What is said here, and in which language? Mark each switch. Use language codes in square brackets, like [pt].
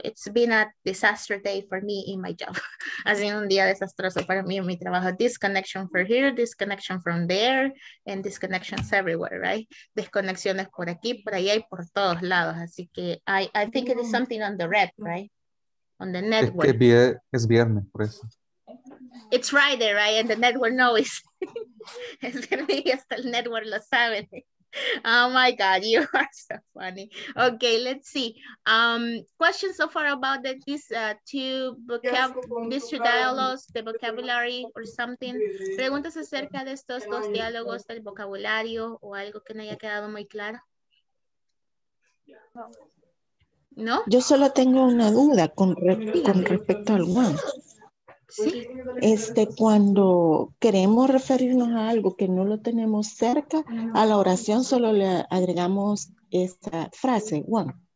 [en] It's been a disaster day for me in my job. [es] Ha sido un día desastroso para mí en mi trabajo. [en] Disconnection for here, disconnection from there, and disconnections everywhere, right? [es] Desconexiones por aquí, por allá y por todos lados. Así que [en] I think it is something on the red, right? On the network. [es] Es viernes, por eso. [en] It's Friday, right? And the network knows. [es] Es viernes y hasta el network lo sabe. [en] Oh my God, you are so funny. Okay, let's see. Questions so far about these two dialogues, the vocabulary or something. [es] Preguntas acerca de estos dos diálogos, del vocabulario o algo que no haya quedado muy claro. No. Yo solo tengo una duda con respecto al one. Sí. Cuando queremos referirnos a algo que no lo tenemos cerca, a la oración solo le agregamos esta frase, one.